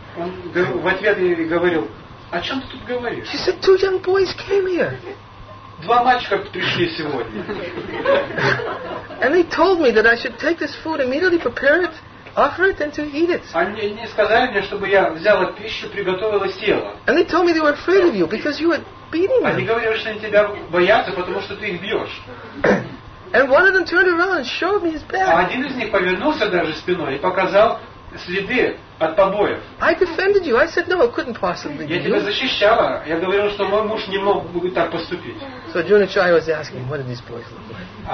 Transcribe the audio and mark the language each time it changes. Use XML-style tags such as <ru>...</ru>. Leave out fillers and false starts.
<ru>Он в ответ ей говорил, о чем ты тут говоришь?</ru> <en>She said, two young boys came here.</en> <ru>Два мальчика пришли сегодня.</ru> <en>And they told me that I should take this food, immediately prepare it, offer it and to eat it.</en> <ru>Они не сказали мне, чтобы я взяла пищу, приготовила, съела.</ru> <en>And they told me they were afraid of you because you were beating them.</en> <ru>Они говорили, что они тебя боятся, потому что ты их бьешь.</ru> <en>And one of them turned around and showed me his back.</en> <ru>А один из них повернулся даже спиной и показал следы от побоев.</ru> <en>I defended you. I said no, it couldn't possibly be.</en> <ru>Я тебя защищала. Я говорил, что мой муж не мог бы так поступить.</ru> <en>So Juno Chai was asking, what did these boys look like?</en>